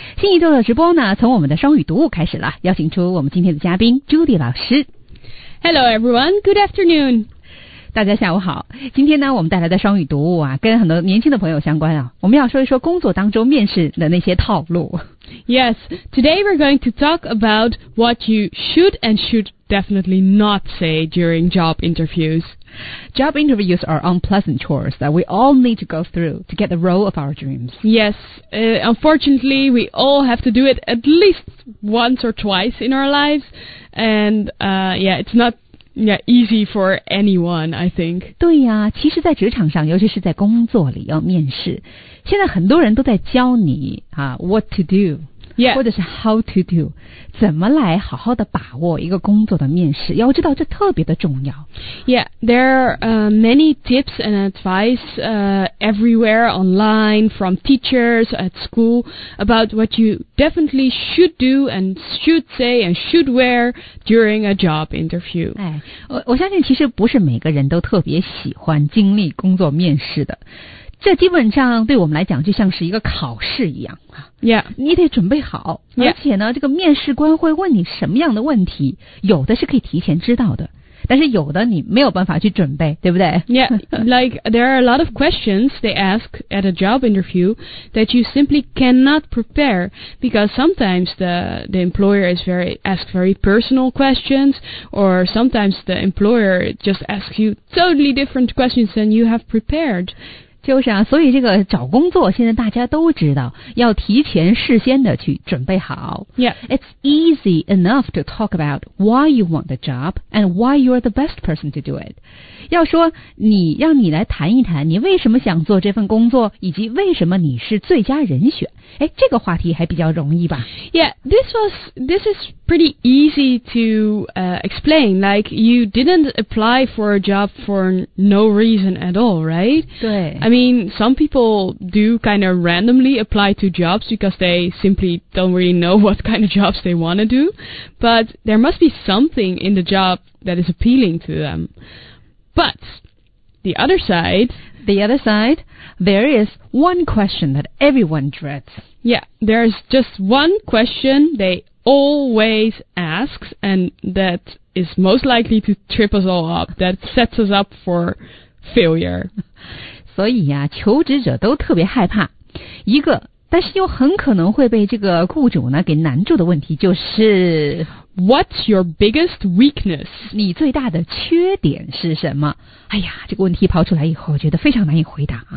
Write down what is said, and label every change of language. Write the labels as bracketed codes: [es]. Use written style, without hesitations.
[zh] 新一周的直播呢，从我们的双语读物开始了，邀请出我们今天的嘉宾 Judy 老师。 [en] Hello everyone, good afternoon. [zh] 大家下午好。今天呢，我们带来的双语读物啊，跟很多年轻的朋友相关啊，我们要说一说工作当中面试的那些套路。 [en] Yes, today we're going to talk about what you should and should definitely not say during job interviews. Job interviews are unpleasant chores that we all need to go through to get the role of our dreams. Yes, unfortunately, we all have to do it at least once or twice in our lives. And it's notYeah, easy for anyone, I think. [zh] 对呀、啊、其实在职场上尤其是在工作里要面试。现在很多人都在教你、 [en] what to do,、 yeah. [zh] 或者是 [en] how to do, [zh] 怎么来好好的把握一个工作的面试，要知道这特别的重要。 [en] Yeah, there are、many tips and advice、everywhere online from teachers at school about what you definitely should do and should say and should wear during a job interview. [zh] 哎，我相信其实不是每个人都特别喜欢经历工作面试的，这基本上对我们来讲就像是一个考试一样。 [en] Yeah, [zh] 你得准备好、 [en] yeah. [zh] 而且呢，这个面试官会问你什么样的问题，有的是可以提前知道的，但是有的你没有办法去准备，对不对？ [en] Yeah, like there are a lot of questions they ask at a job interview that you simply cannot prepare because sometimes the employer asks very personal questions or sometimes the employer just asks you totally different questions than you have prepared. [zh] 就是啊，所以这个找工作现在大家都知道要提前事先的去准备好。 [en] Yeah. It's easy enough to talk about why you want the job and why you're the best person to do it. [zh] 要说你让你来谈一谈你为什么想做这份工作以及为什么你是最佳人选。哎，这个话题还比较容易吧。 [en] Yeah, this is pretty easy to explain. Like, you didn't apply for a job for no reason at all, right? [zh] 对。 [en] I mean, some people do kind of randomly apply to jobs because they simply don't really know what kind of jobs they want to do. But there must be something in the job that is appealing to them. But the other side, there is one question that everyone dreads. Yeah, there's just one question they always ask and that is most likely to trip us all up, that sets us up for failure. [zh] 所以啊，求职者都特别害怕一个，但是又很可能会被这个雇主呢给难住的问题，就是 [en] What's your biggest weakness? [zh] 你最大的缺点是什么？哎呀，这个问题抛出来以后，觉得非常难以回答啊。